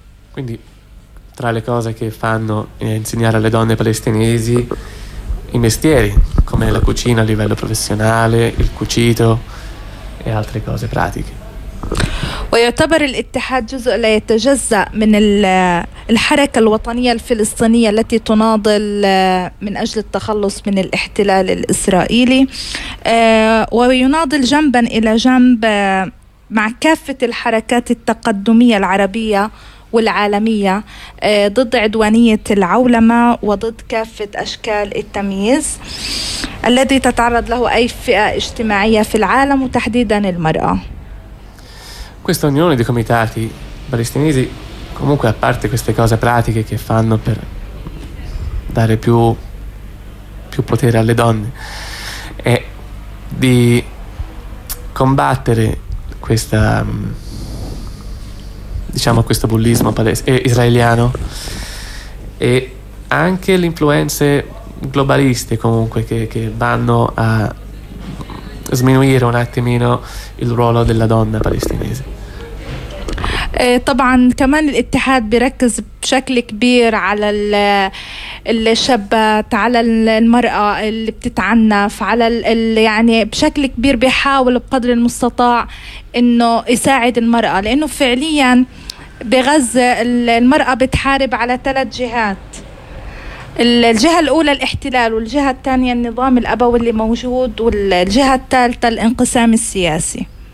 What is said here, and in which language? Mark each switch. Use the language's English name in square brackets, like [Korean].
[Italian] Quindi tra le cose che fanno è insegnare alle donne palestinesi i mestieri come la cucina a livello professionale, il cucito e altre cose pratiche. [Arabic] ويعتبر الاتحاد جزء لا يتجزأ من الحركة الوطنية الفلسطينية التي تناضل من أجل التخلص من الاحتلال الإسرائيلي، ويناضل جنبا إلى جنب مع كافة الحركات التقدمية العربية والعالمية ضد عدوانية العولمة وضد كافة أشكال التمييز الذي تتعرض له أي فئة اجتماعية في العالم وتحديدا المرأة. [Italian] Questa unione di comitati palestinesi, comunque a parte queste cose pratiche che fanno per dare più, più potere alle donne, è di combattere questa, diciamo, questo bullismo israeliano e anche le influenze globaliste comunque che vanno a sminuire un attimino il ruolo della donna palestinese. [Arabic] طبعا كمان الاتحاد بيركز بشكل كبير على الشابات، على المرأة اللي بتتعنف، على يعني بشكل كبير بيحاول بقدر المستطاع انه يساعد المرأة، لانه فعليا بغزة المرأة بتحارب على ثلاث جهات، الجهة الاولى الاحتلال، والجهة الثانية النظام الابوي اللي موجود، والجهة الثالثة الانقسام السياسي.